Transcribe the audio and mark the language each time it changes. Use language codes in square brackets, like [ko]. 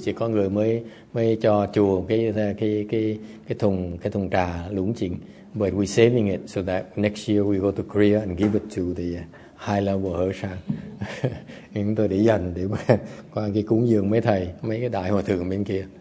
[vi] Chỉ có người mới cho chùa cái thùng trà Longjing. [en] But we're saving it so that next year we go to Korea and give it to the high level hòa thượng. [vi] Chúng tôi để dành để qua cái cúng dường mấy thầy, mấy cái đại hòa thượng bên kia.